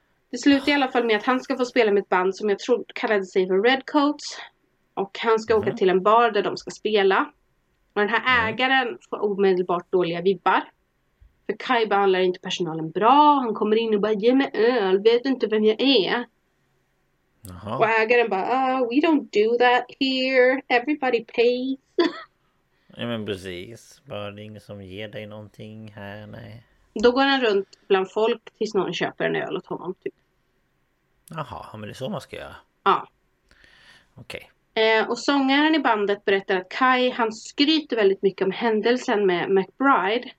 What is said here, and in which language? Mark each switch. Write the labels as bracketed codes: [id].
[sv] Det slutar i alla fall med att han ska få spela med ett band som jag tror kallade sig för Redcoats. Och han ska åka till en bar där de ska spela. Och den här ägaren får omedelbart dåliga vibbar. För Kai behandlar inte personalen bra. Han kommer in och bara, ge mig öl. Vet inte vem jag är. Jaha. Och ägaren bara, [en] oh, we don't do that here. Everybody pays. [sv] Ja, men precis. Bara det är ingen som ger dig någonting här, nej. Då går han runt bland folk tills någon köper en öl åt honom, typ. Jaha, men det är så man ska göra. Ja. Okej. Och sångaren i bandet berättar att Kai, han skryter väldigt mycket om händelsen med McBride.